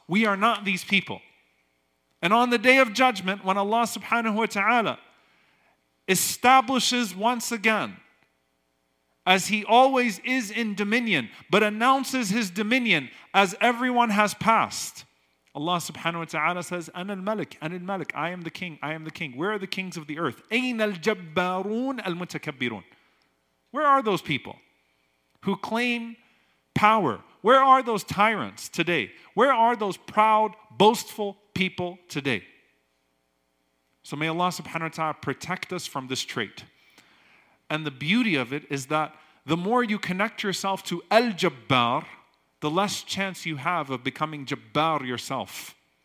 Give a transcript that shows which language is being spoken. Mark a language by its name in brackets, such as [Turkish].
[English] We are not these people. And on the day of judgment, when Allah subhanahu wa ta'ala establishes once again, as he always is in dominion, but announces his dominion as everyone has passed, Allah subhanahu wa ta'ala says, [Arabic] أنا الملك, أنا الملك, [English] I am the king, I am the king. Where are the kings of the earth? [Arabic] أين الجبارون المتكبرون? [English] Where are those people who claim power? Where are those tyrants today? Where are those proud, boastful people today? So may Allah subhanahu wa ta'ala protect us from this trait. And the beauty of it is that the more you connect yourself to Al-Jabbar, the less chance you have of becoming Jabbar yourself.